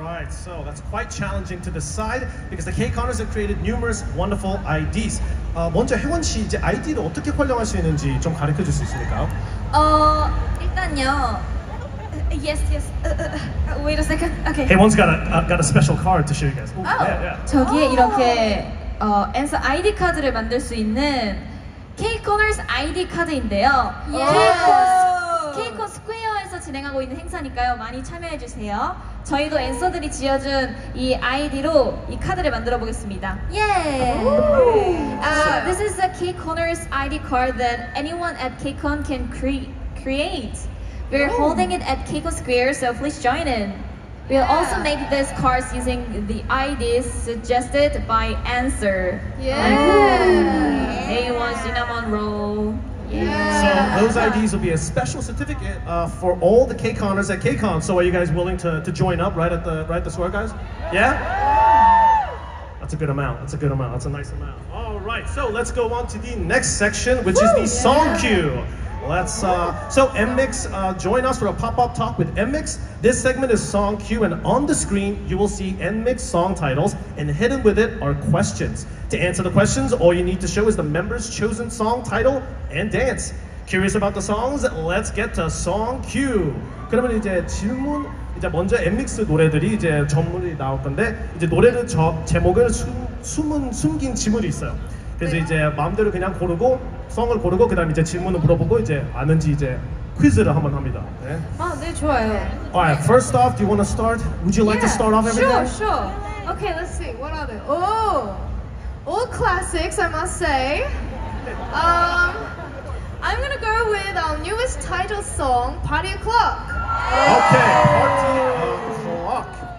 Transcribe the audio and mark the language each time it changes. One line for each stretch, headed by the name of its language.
English: So that's quite challenging to decide because the KConners have created numerous wonderful IDs.
Korean: 먼저 혜원 씨 이제 아이디를 어떻게 활용할 수 있는지 좀 가르쳐 줄 수 있을까요?
English: 일단요. Yes. Wait a second. Okay. 혜원's got a special card to show you guys. Oh, yeah.
Korean: 저기에 이렇게 answer ID 카드를 만들 수 있는 KConners ID 카드인데요.
English: Yeah.
Korean: KCon Square에서 진행하고 있는 행사니까요. 많이 참여해 주세요. 저희도 앤서들이 지어준 이 아이디로 이 카드를 만들어 보겠습니다. 예!
English: This is a KConners ID card that anyone at KCon can create. We're holding it at KCon Square, so please join in. We'll also make this card using the IDs suggested by answer. Yeah! A1 Cinnamon Roll. Yeah. So those IDs will be a special certificate for all the KConners at KCon. So are you guys willing to join up right at the square, guys? Yeah? That's a good amount. That's a nice amount. All right. So let's go on to the next section, which is the song cue. So NMIXX, join us for a pop-up talk with NMIXX. This segment is song cue, and on the screen, you will see NMIXX song titles, and hidden with it are questions. To answer the questions, all you need to show is the member's chosen song title and dance. Curious about the songs? Let's get to song cue.
Korean: 그러면 이제 질문, 이제 먼저 엠믹스 노래들이 이제 전문이 나올 건데 이제 노래를 저 제목을 숨긴 질문이 있어요. 그래서 네. 이제 마음대로 그냥 고르고 성을 고르고 그다음에 이제 질문을 물어보고 이제 아는지 이제 퀴즈를 한번 합니다. 네. 아, 네, 좋아요.
English: Alright, first off, do you want to start? Would you like yeah, to start off everything? Sure, sure. Okay, let's see. What are they? Oh, all classics, I must say. I'm gonna go with our newest title song, Party O'Clock. Okay, Party O'Clock.